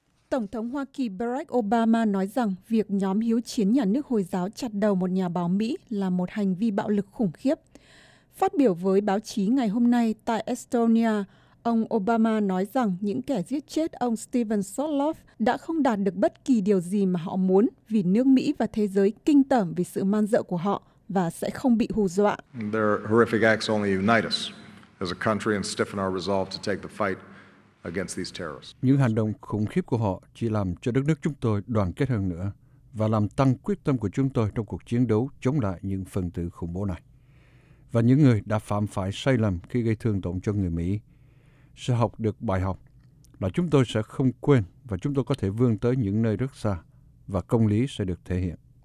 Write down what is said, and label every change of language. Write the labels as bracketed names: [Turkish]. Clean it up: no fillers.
[Vietnamese] Tổng thống Hoa Kỳ Barack Obama nói rằng việc nhóm hiếu chiến nhà nước Hồi giáo chặt đầu một nhà báo Mỹ là một hành vi bạo lực khủng khiếp. Phát biểu với báo chí ngày hôm nay tại Estonia, ông Obama nói rằng những kẻ giết chết ông Steven Sutloff đã không đạt được bất kỳ điều gì mà họ muốn vì nước Mỹ và thế giới kinh tởm vì sự man dợ của họ và sẽ không bị hù dọa. [English] Their horrific acts only unite us as a country and stiffen our resolve to take the fight against these terrorists. [Vietnamese] Những hành động khủng khiếp của họ chỉ làm cho đất nước chúng tôi đoàn kết hơn nữa và làm tăng quyết tâm của chúng tôi trong cuộc chiến đấu chống lại những phần tử khủng bố này. Và những người đã phạm phải sai lầm khi gây thương tổn cho người Mỹ sẽ học được bài học là chúng tôi sẽ không quên và chúng tôi có thể vươn tới những nơi rất xa và công lý sẽ được thể hiện.